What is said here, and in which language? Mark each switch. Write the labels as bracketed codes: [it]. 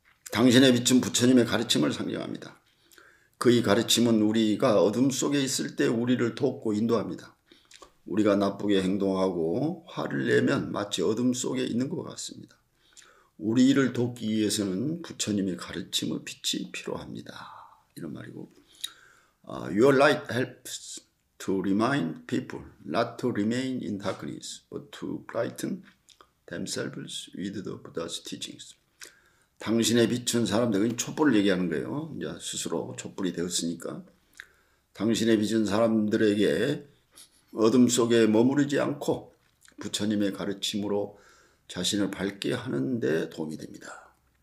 [ko] 당신의 빛은 부처님의 가르침을 상징합니다. 그의 가르침은 우리가 어둠 속에 있을 때 우리를 돕고 인도합니다. 우리가 나쁘게 행동하고 화를 내면 마치 어둠 속에 있는 것 같습니다. 우리 일을 돕기 위해서는 부처님의 가르침의 빛이 필요합니다. 이런 말이고, [en] Your light helps to remind people not to remain in darkness, but to brighten themselves with the Buddha's teachings. [ko] 당신의 빛은 사람들에게 촛불을 얘기하는 거예요. 이제 스스로 촛불이 되었으니까. 당신의 빛은 사람들에게 어둠 속에 머무르지 않고 부처님의 가르침으로 자신을 밝게 하는 데 도움이 됩니다.